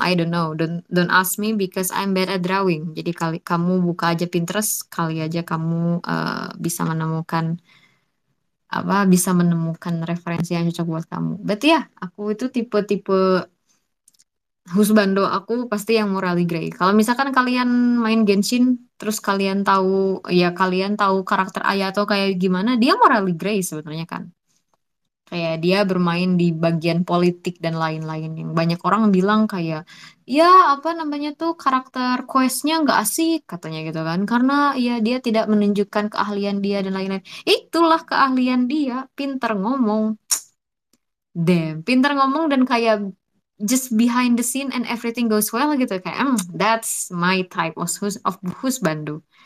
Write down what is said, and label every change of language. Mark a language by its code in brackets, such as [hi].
[en] I don't know, don't ask me because I'm bad at drawing. [id] Jadi kali kamu buka aja Pinterest, kali aja kamu bisa menemukan apa, bisa menemukan referensi yang cocok buat kamu. But ya, yeah, aku itu tipe-tipe husbando aku pasti yang morally gray. Kalau misalkan kalian main Genshin, terus kalian tahu, ya kalian tahu karakter Aya atau kayak gimana, dia morally gray sebenarnya kan. Kayak dia bermain di bagian politik dan lain-lain. Yang banyak orang bilang kayak, ya apa namanya tuh karakter questnya nggak asik katanya gitu kan. Karena ya dia tidak menunjukkan keahlian dia dan lain-lain. Itulah keahlian dia, pinter ngomong. [en] Damn, [id] pinter ngomong dan kayak [en] just behind the scene and everything goes well gitu, kayak that's my type of husbando.